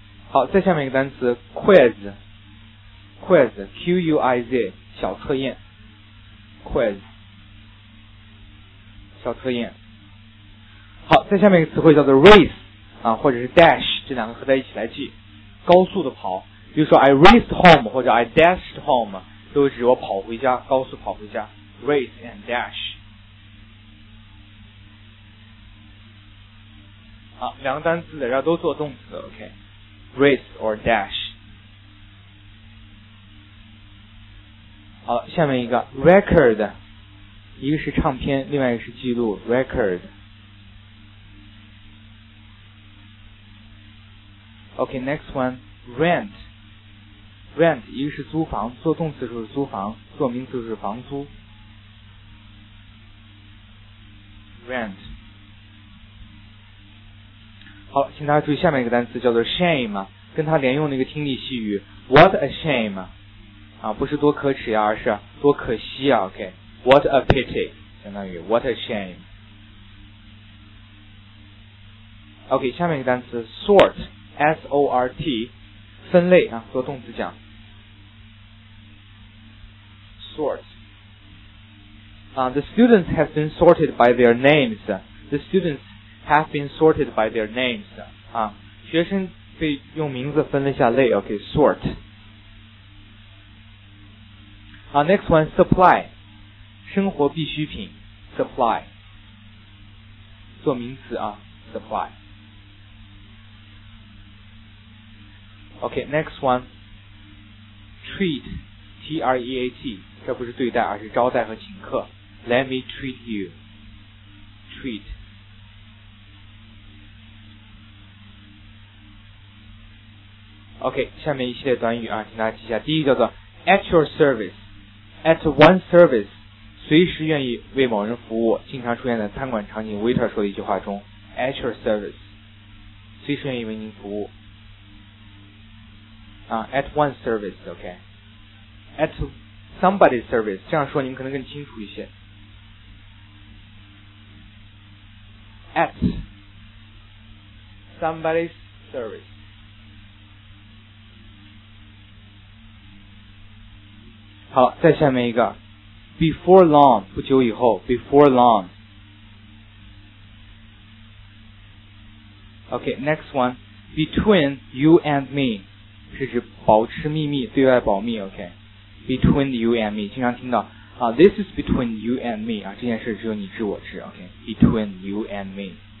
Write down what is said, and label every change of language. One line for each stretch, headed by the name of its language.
Chinese: 好，再下面一个单词 quiz，quiz，Q-U-I-Z， 小测验 ，quiz， 小测验。好，再下面一个词汇叫做 race 啊，或者是 dash， 这两个合在一起来记，高速的跑。比如说
English: I raced home
Chinese: 或者
English: I dashed home
Chinese: 都是指我跑回家，高速跑回家， race and dash。好，两个单词在这都做动词， OK， race or dash。好，下面一个 record， 一个是唱片，另外一个是记录， record。 OK， next one， rent， 一个是租房，做动词就是租房，做名词就是房租。
English: rent。
Chinese: 好，请大家注意下面一个单词叫做 shame， 跟它连用的一个听力细语
English: what a shame，
Chinese: 啊，不是多可耻呀，而是多可惜啊， OK，
English: what a pity，
Chinese: 相当于 what a shame。 OK， 下面一个单词 sort， S-O-R-T， 分类啊，做动词讲sort。
English: The students have been sorted by their names. The students have been sorted by their names.
Chinese: 学生被用名字分了一下类， OK， sort。 Next one， supply， 生活必需品， supply， 做名词啊， supply。 OK， next one， treat， T-R-E-A-T，这不是对待，而是招待和请客。
English: Let me treat you. Treat.
Chinese: OK， 下面一系列短语啊，请大家记一下。第一叫做 at your service， at one service， 随时愿意为某人服务，经常出现在餐馆场景 waiter 说的一句话中， at your service， 随时愿意为您服务。
English: At one service， OK， at somebody's service，
Chinese: 这样说你们可能更清楚一些。
English: at somebody's service。
Chinese: 好，再下面一个 before long， 不久以后， before long。 OK， next one， between you and me， 是指保持秘密，对外保密， OK，between you and me， 经常听到啊，
English: this is between you and me，
Chinese: 啊，这件事只有你知我知， OK， between you and me。